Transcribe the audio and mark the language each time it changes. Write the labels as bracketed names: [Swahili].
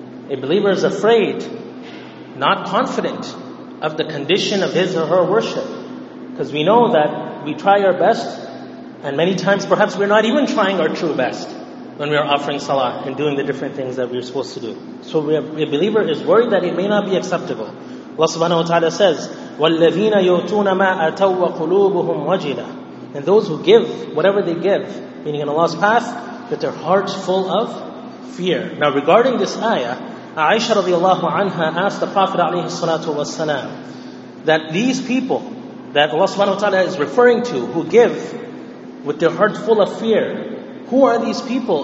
[English] A believer is afraid, not confident of the condition of his or her worship. Because we know that we try our best, and many times perhaps we're not even trying our true best when we are offering salah and doing the different things that we're supposed to do. So a believer is worried that it may not be acceptable. Allah subhanahu wa ta'ala says, [Arabic] وَالَّذِينَ يُؤْتُونَ مَا أَتَوْ وَقُلُوبُهُمْ وَجِلَةٌ. [English] And those who give whatever they give, meaning in Allah's path, that their heart's full of fear. Now regarding this ayah, Aisha radiallahu anha asked the Prophet alayhi salatu wasalam that these people that Allah subhanahu wa ta'ala is referring to, who give with their heart full of fear, who are these people?